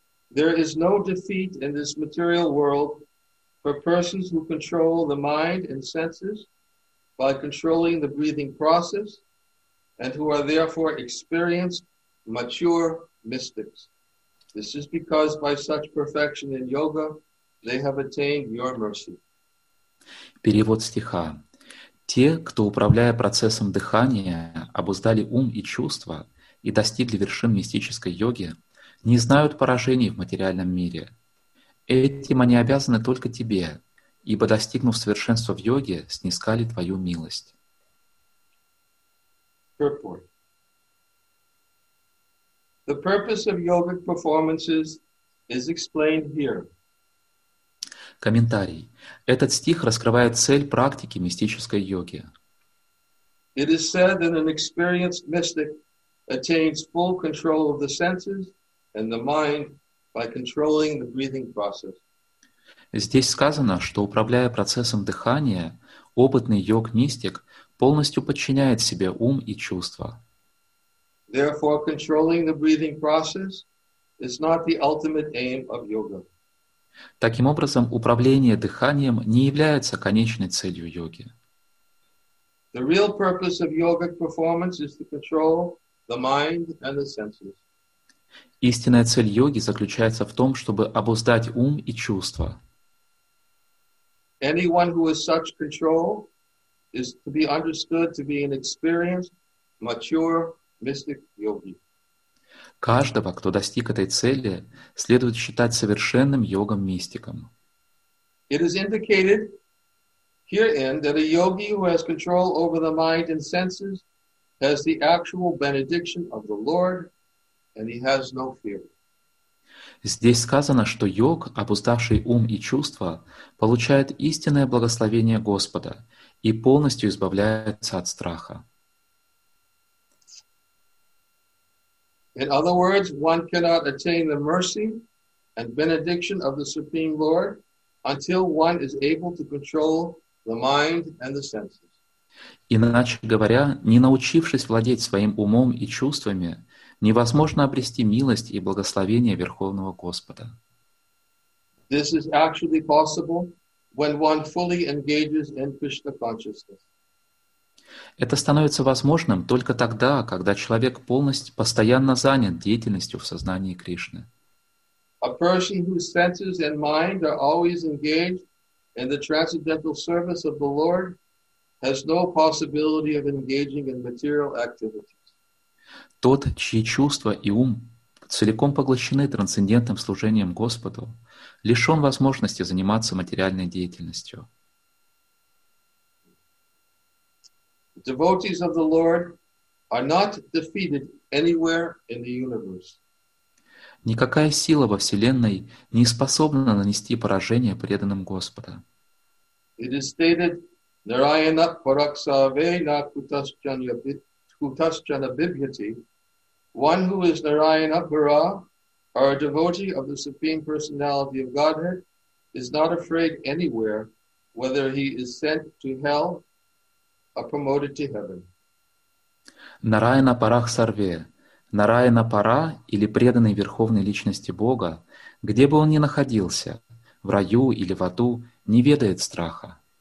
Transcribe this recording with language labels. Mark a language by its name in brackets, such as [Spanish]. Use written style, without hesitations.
[English] There is no defeat in this material world for persons who control the mind and senses by controlling the breathing process and who are therefore experienced, mature mystics. This is because by such perfection in yoga they have attained your mercy. [Russian] Перевод стиха. Те, кто, управляя процессом дыхания, обуздали ум и чувства и достигли вершин мистической йоги, не знают поражений в материальном мире. Этим они обязаны только тебе, ибо, достигнув совершенства в йоге, снискали твою милость. [English] Third point. The purpose of yogic performances is explained here. [Russian] Комментарий. Этот стих раскрывает цель практики мистической йоги. [English] It is said that an experienced mystic attains full control of the senses and the mind by controlling the breathing process. [Russian] Здесь сказано, что управляя процессом дыхания, опытный йог-мистик полностью подчиняет себе ум и чувства. [English] Therefore, controlling the breathing process is not the ultimate aim of yoga. [Russian] Таким образом, управление дыханием не является конечной целью йоги. [English] The real purpose of yogic performance is to control the mind and the senses. [Russian] Истинная цель йоги заключается в том, чтобы обуздать ум и чувства. [English] Anyone who has such control is to be understood to be an experienced, mature, mystic yogi. [Russian] Каждого, кто достиг этой цели, следует считать совершенным йогом-мистиком. [English] It is indicated herein that a yogi who has control over the mind and senses has the actual benediction of the Lord, and he has no fear. [Russian] Здесь сказано, что йог, обуздавший ум и чувства, получает истинное благословение Господа и полностью избавляется от страха. [English] In other words, one cannot attain the mercy and benediction of the Supreme Lord until one is able to control the mind and the senses. [Russian] Иначе говоря, не научившись владеть своим умом и чувствами, невозможно обрести милость и благословение Верховного Господа. [English] This is actually possible when one fully engages in Krishna consciousness. [Russian] Это становится возможным только тогда, когда человек полностью постоянно занят деятельностью в сознании Кришны. [English] A person whose senses and mind are always engaged in the transcendental service of the Lord has no possibility of engaging in material activities. [Russian] Тот, чьи чувства и ум целиком поглощены трансцендентным служением Господу, лишен возможности заниматься материальной деятельностью. [English] Devotees of the Lord are not defeated anywhere in the universe. [Russian] Никакая сила во Вселенной не способна нанести поражение преданным Господа. [English] It is stated, [Sanskrit] Narayana Paraksavena Kutaschana Bibhyati. [English] One who is Narayana Para, or a devotee of the Supreme Personality of Godhead, is not afraid anywhere, whether he is sent to hell or promoted to heaven. [Sanskrit] Narayana Paraksarve. [Russian] Нараяна Пара или преданный Верховной Личности Бога, где бы он ни находился, в раю или в аду, не ведает страха.